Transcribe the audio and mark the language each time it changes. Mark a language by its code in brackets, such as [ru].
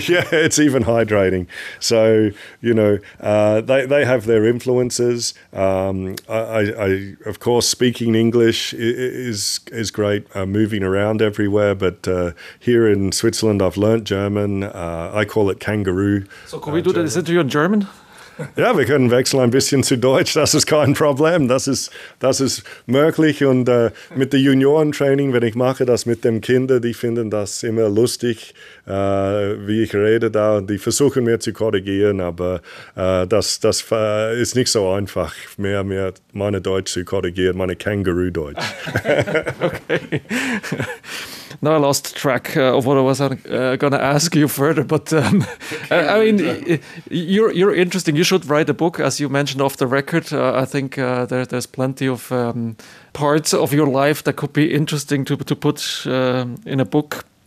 [en] Yeah, it's even hydrating. So, you know, they have their influences. I of course, speaking English is great moving around everywhere, but here in Switzerland I've learnt German. I call it kangaroo. So can we do this interview in German? [de] Ja, wir können wechseln ein bisschen zu Deutsch. Das ist kein Problem. Das ist möglich. Und mit der Juniorentraining, wenn ich mache das mit den Kindern, die finden das immer lustig, wie ich rede da. Die versuchen mir zu korrigieren, aber das ist nicht so einfach, mehr meine Deutsch zu korrigieren, meine Känguru-Deutsch. [en] Okay. Now I lost track of what I was going to ask you further, but I mean, you're interesting. You should write a book, as you mentioned off the record. I think there's plenty of parts of your life that could be interesting to put in a book.